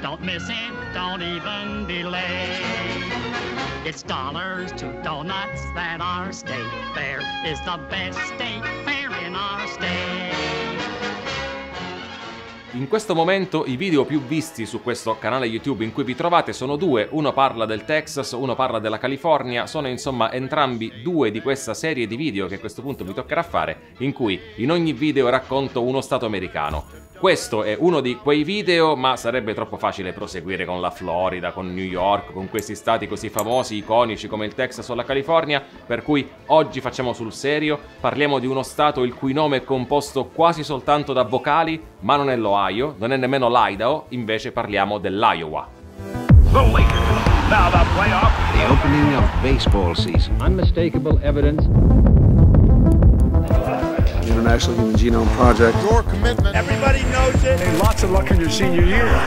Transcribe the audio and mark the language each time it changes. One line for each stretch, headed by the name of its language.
English: Don't miss it, don't even delay. It's dollars to donuts that our state fair is the best state fair in our state.
Italian: In questo momento i video più visti su questo canale YouTube in cui vi trovate sono due, uno parla del Texas, uno parla della California, sono insomma entrambi due di questa serie di video che a questo punto vi toccherà fare, in cui in ogni video racconto uno stato americano. Questo è uno di quei video, ma sarebbe troppo facile proseguire con la Florida, con New York, con questi stati così famosi, iconici come il Texas o la California, per cui oggi facciamo sul serio, parliamo di uno stato il cui nome è composto quasi soltanto da vocali, ma non è l'Ohio, non è nemmeno l'Idaho, invece parliamo dell'Iowa.
English: The Lakers, now the playoff. The opening of baseball season. Unmistakable evidence. International Human Genome Project. Your commitment. Everybody knows it. Hey, lots of luck in your senior year.